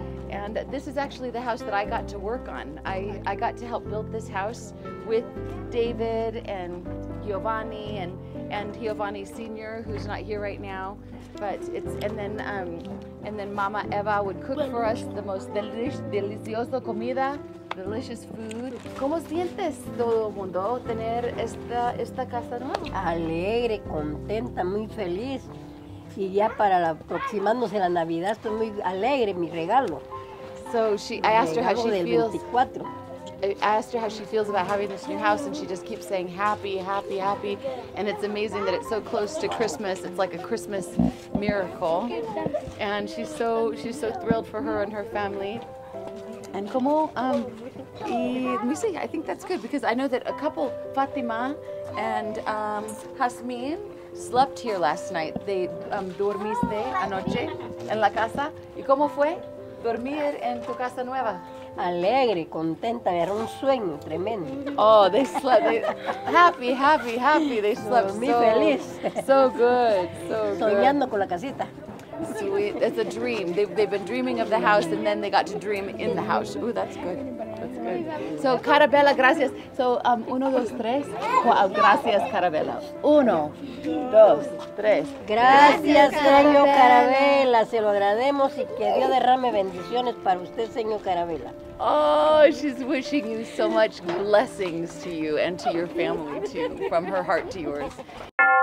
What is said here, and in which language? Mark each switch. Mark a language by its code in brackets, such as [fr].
[en] And this is actually the house that I got to work on. I got to help build this house with David and Giovanni and Giovanni Sr., who's not here right now. But it's, and then Mama Eva would cook for us the most [es] delicioso comida. [en] Delicious food. [es] ¿Cómo sientes todo el mundo tener esta casa nueva? Alegre, contenta, muy feliz. Y ya para aproximándose la Navidad, estoy muy alegre, mi regalo. [en] So I asked her how she feels. I asked her how she feels about having this new house, and she just keeps saying happy, happy, happy. And it's amazing that it's so close to Christmas. It's like a Christmas miracle. And she's so thrilled for her and her family. And como, I think that's good because I know that a couple, Fatima and Jasmine, slept here last night. [es] They dormiste anoche en la casa. ¿Y cómo fue dormir en tu casa nueva? Alegre, contenta, era un sueño tremendo. [en] Oh, they slept, happy, happy, happy. They slept so [es] feliz. [en] So good, so [es] good. Soñando con la casita. [en] Sweet. It's a dream. They've been dreaming of the house, and then they got to dream in the house. Ooh, that's good. That's good. So, Carrabella, gracias. So, [es] uno, dos, tres. Gracias, Carrabella. Uno, dos, tres. Gracias, señor Carrabella. Se lo agradecemos y que Dios derrame bendiciones para usted, señor Carrabella. [en] Oh, she's wishing you so much blessings to you and to your family, too, from her heart to yours.